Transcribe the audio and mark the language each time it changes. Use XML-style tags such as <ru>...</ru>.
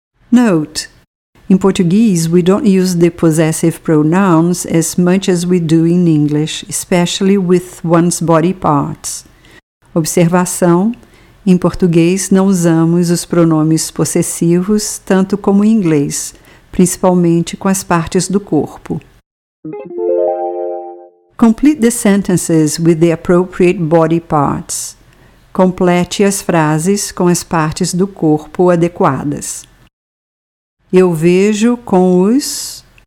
<en>Note: in Portuguese, we don't use the possessive pronouns as much as we do in English, especially with one's body parts.</en> <pt>Observação: em português não usamos os pronomes possessivos tanto como em inglês, principalmente com as partes do corpo.</pt> <en>Complete the sentences with the appropriate body parts.</en> <pt>Complete as frases com as partes do corpo adequadas. Eu vejo com os...</pt>